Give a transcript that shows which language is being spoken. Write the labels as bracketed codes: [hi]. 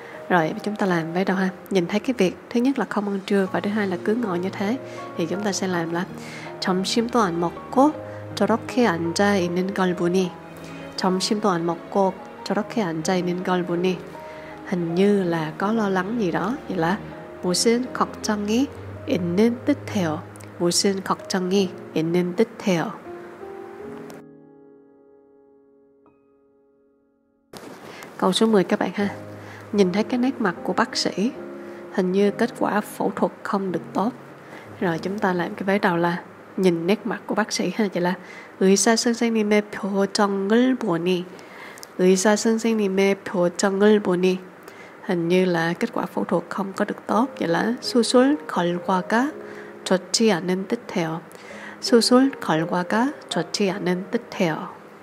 [vi] Rồi chúng ta làm bắt đầu ha. Nhìn thấy cái việc thứ nhất là không ăn trưa và thứ hai là cứ ngồi như thế thì chúng ta sẽ làm là [ko] 점심도 안 먹고 저렇게 앉아 있는 걸 보니 [vi] 점심도 안 먹고 저렇게 앉아 있는 걸 보니 hình như là có lo lắng gì đó thì là [ko] 무슨 걱정이 있는 듯해요. 무슨 걱정이 있는 듯해요. [vi] Câu số 10 các bạn ha. Nhìn thấy cái nét mặt của bác sĩ, hình như kết quả phẫu thuật không được tốt. Rồi chúng ta làm cái vế đầu là nhìn nét mặt của bác sĩ ha, vậy là [ko] 의사 선생님의 표정을 보니 [vi] 의사 선생님의 표정을 보니 hình như là kết quả phẫu thuật không có được tốt, vậy là [ko] 수술 결과가 좋지 않은 듯해요. 수술 결과가 좋지 않은 듯해요.